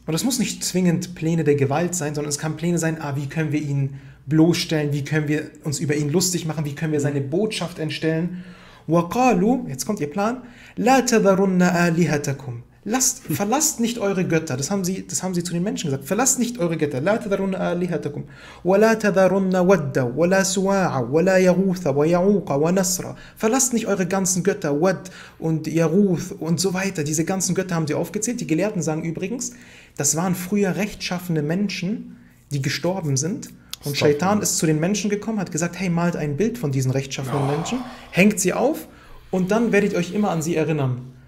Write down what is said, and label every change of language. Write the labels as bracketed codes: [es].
[de] Und das muss nicht zwingend Pläne der Gewalt sein, sondern es kann Pläne sein, wie können wir ihn bloßstellen, wie können wir uns über ihn lustig machen, wie können wir seine Botschaft entstellen. [ar] وَقَالُوا, [de] jetzt kommt ihr Plan, [ar] لَا تَذَرُنَّ آلِهَتَكُمْ. [de] Verlasst nicht eure Götter. Das haben sie zu den Menschen gesagt. Verlasst nicht eure Götter. [ar] لا تذرن آلهتكم ولا تذرن ودا ولا سواع ولا يغوث ويعوق ونسر. [de] Verlasst nicht eure ganzen Götter. Wad und Yaguth und so weiter. Diese ganzen Götter haben sie aufgezählt. Die Gelehrten sagen übrigens, das waren früher rechtschaffene Menschen, die gestorben sind. Und Shaitan ist zu den Menschen gekommen, hat gesagt, hey, malt ein Bild von diesen rechtschaffenen Menschen, hängt sie auf und dann werdet ihr euch immer an sie erinnern.